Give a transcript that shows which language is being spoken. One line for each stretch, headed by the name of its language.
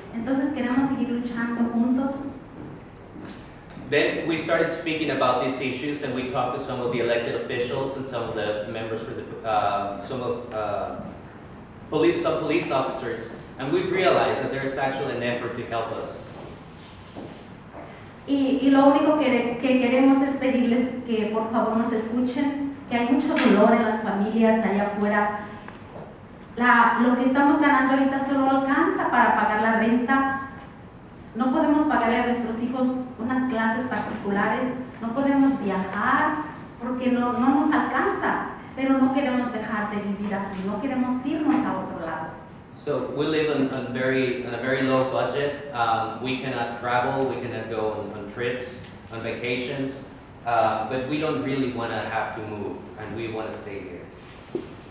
Spanish: Entonces queremos seguir luchando juntos.
English: Then we started speaking about these issues, and we talked to some of the elected officials and some of the members for the police officers, and we've realized that there is actually an effort to help us.
Spanish: Y lo único que queremos es pedirles que por favor nos escuchen, que hay mucho dolor en las familias allá afuera. Lo que estamos ganando ahorita solo alcanza para pagar la renta. No podemos pagarle a nuestros hijos unas clases particulares, no podemos viajar porque no nos alcanza, pero no queremos dejar de vivir aquí, no queremos irnos a otro lado.
English: So we live on a very low budget. We cannot travel, we cannot go on trips, on vacations, but we don't really want to have to move and we want to stay here.